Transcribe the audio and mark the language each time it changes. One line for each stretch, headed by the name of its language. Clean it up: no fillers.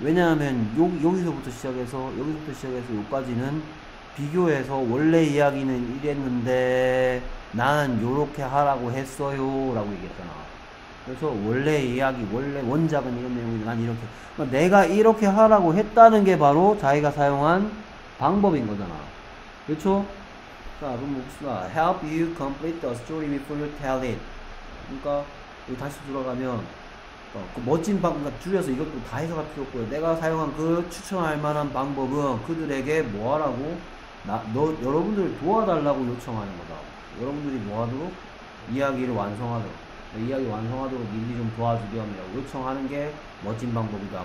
Korean: 왜냐하면 여기서부터 시작해서 여기까지는 비교해서 원래 이야기는 이랬는데 나는 요렇게 하라고 했어요 라고 얘기했잖아. 그래서 원래 이야기, 원래 원작은 이런 내용이니까 난 이렇게. 내가 이렇게 하라고 했다는 게 바로 자기가 사용한 방법인 거잖아. 그렇죠? 자, 그럼 봅시다.
English: Help you complete the story before you tell it.
Korean: 그러니까 여기 다시 들어가면 그 멋진 방법, 줄여서 이것도 다 해석할 필요 없고요. 내가 사용한 그 추천할 만한 방법은 그들에게 뭐 하라고? 여러분들을 도와달라고 요청하는 거다. 여러분들이 뭐 하도록? 이야기를 완성하도록. 이야기 완성하도록 일일이 좀 도와주렴이라고 요청하는 게 멋진 방법이다.